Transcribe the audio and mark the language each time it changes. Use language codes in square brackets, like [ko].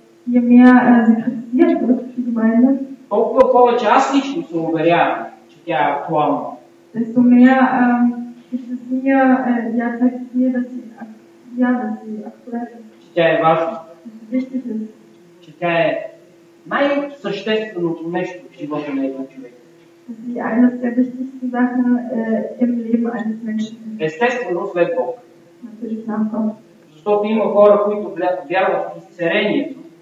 [de] je mehr sie kritisiert wird, die Gemeinde, [bg] толкова повече аз лично се уверявам, че тя е актуална. [de] Desto mehr ist es mir, zeigt mir, dass sie aktuell ist. [bg] Че тя е важна. [de] Wichtig ist. [bg] Че тя е най-същественото нещо в живота на един човек. [de] die eines der wichtigsten Sachen im Leben eines Menschen ist. [bg] Естествено, след Бог. [de] Natürlich nach Gott. [bg] Защото има хора, които вярват в изцелението.